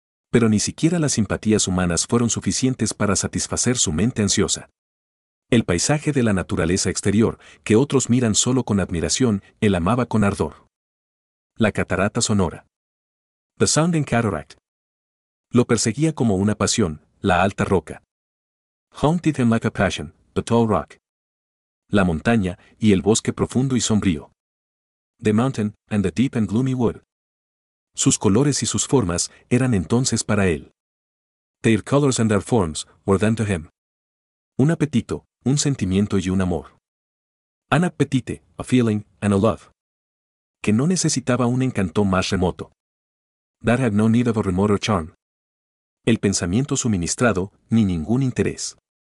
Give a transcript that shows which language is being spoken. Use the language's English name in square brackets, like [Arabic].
[Spanish] Pero ni siquiera las simpatías humanas fueron suficientes para satisfacer su mente ansiosa. El paisaje de la naturaleza exterior, que otros miran solo con admiración, él amaba con ardor. La catarata sonora. [English] The Sounding Cataract. [Spanish] Lo perseguía como una pasión, la alta roca. [English] Haunted him like a passion, the tall rock. [Spanish] La montaña y el bosque profundo y sombrío. [English] The mountain and the deep and gloomy wood. [Spanish] Sus colores y sus formas eran entonces para él. [English] Their colors and their forms were then to him. [Spanish] Un apetito, un sentimiento y un amor. [English] An appetite, a feeling, and a love. [Spanish] Que no necesitaba un encanto más remoto. [English] That had no need of a remoter charm. [Spanish] El pensamiento suministrado, ni ningún interés.